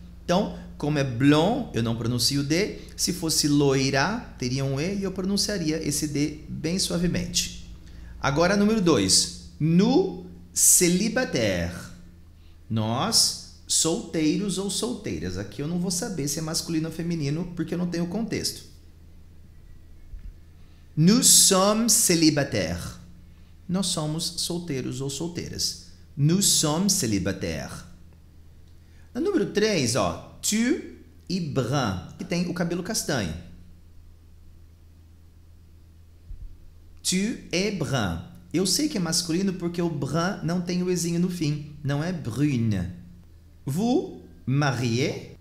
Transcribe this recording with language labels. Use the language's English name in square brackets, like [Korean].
[Portuguese] Então, como é blond, eu não pronuncio D. Se fosse loira, teria um E e eu pronunciaria esse D bem suavemente. Agora, número 2. [French] Nous célibataires. [Portuguese] Nós, solteiros ou solteiras. Aqui eu não vou saber se é masculino ou feminino, porque eu não tenho contexto. [French] Nous sommes célibataires. [Portuguese] Nós somos solteiros ou solteiras. [French] Nous sommes célibataires. [Portuguese] No número 3, ó. [French] Tu e brun, [Portuguese] que tem o cabelo castanho. [French] Tu es brun. [Portuguese] Eu sei que é masculino porque o brun não tem o ezinho no fim. Não é brune. [French] Vous marié.